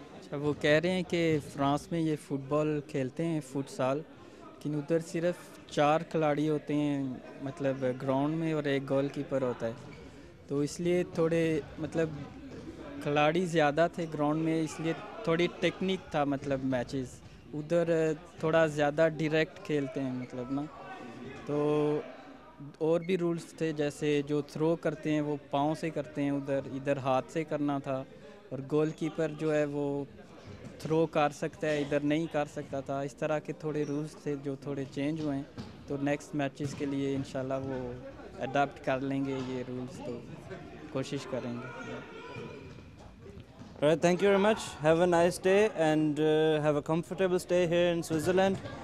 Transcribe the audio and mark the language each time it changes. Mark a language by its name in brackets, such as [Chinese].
[French] Je vous dis que en France, il y a football qui est un futsal, qui nous donne seulement 4 joueurs qui sont sur le ground et un goalkeeper. Donc c'est pour ça que les joueurs sont plus sur le ground, c'est pour ça que c'est un peu de technique dans les matchs. [Hindi] उधर थोड़ा ज़्यादा direct खेलते हैं मतलब ना, तो और भी रूल्स थे, जैसे जो थ्रो करते हैं वो पाँव से करते हैं, उधर इधर हाथ से करना था. और गोलकीपर जो है वो थ्रो कर सकता है, इधर नहीं कर सकता था. इस तरह के थोड़े रूल्स थे जो थोड़े चेंज हुए हैं, तो नेक्स्ट मैचेस के लिए इंशाल्लाह वो अडॉप्ट कर लेंगे ये रूल्स, तो कोशिश करेंगे. [English] All right, thank you very much. Have a nice day and have a comfortable stay here in Switzerland.